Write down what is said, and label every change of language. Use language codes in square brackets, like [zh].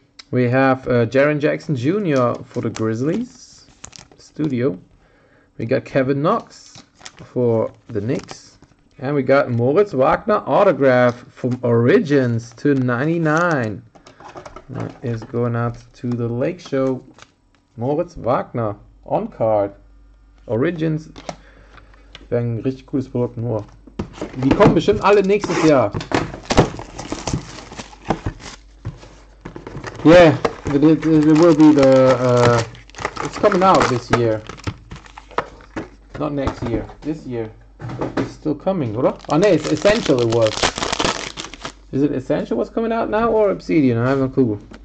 [en] We have Jaren Jackson Jr. for the Grizzlies. Studio. We got Kevin Knox for the Knicks. And we got Moritz Wagner autograph from Origins to 99. That is going out to the Lake Show. Moritz Wagner on card. [de] Origins wäre ein richtig cooles Produkt, nur die kommen bestimmt alle nächstes Jahr. [en] Yeah, it will be the it's coming out this year, not next year, this year. It's still coming, oder? Ah, ne, it's Essential. It was, is it Essential what's coming out now or Obsidian? I have no clue.